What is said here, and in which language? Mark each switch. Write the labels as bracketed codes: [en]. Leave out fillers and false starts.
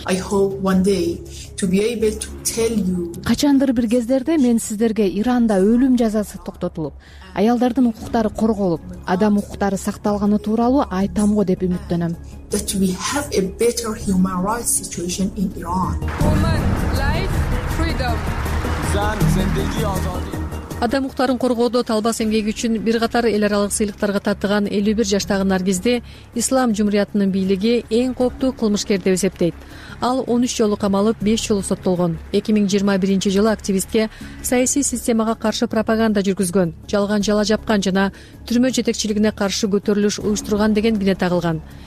[en] I hope one day to be able to tell you. [ky] Качандыр бир кездерде мен сиздерге Иранда өлүм жазасы токтотулуп, аялдардын укуктары корголуп, адам укуктары сакталганы тууралуу айтам го деп үмүттөнөм. [en] That we have a better human rights situation in Iran. Woman, life, freedom. [fa] Zan, zendegi azadi. [ky] Адам укуктарын коргоодо талбас эмгеги үчүн бир катар эл аралык сыйлыктарга таттыган 51 жаштагы Наргизди Ислам Жумуриятынын бийлиги эң кооптуу кылмышкер деп эсептейт. Ал 13 жолу камалып, 5 жолу соттолгон. 2021 жылы активистке саясий системага каршы пропаганда жүргүзгөн, жалган жала жапкан жана түрмө жетекчилигине каршы көтөрүлүш уюштурган деген гине тагылган.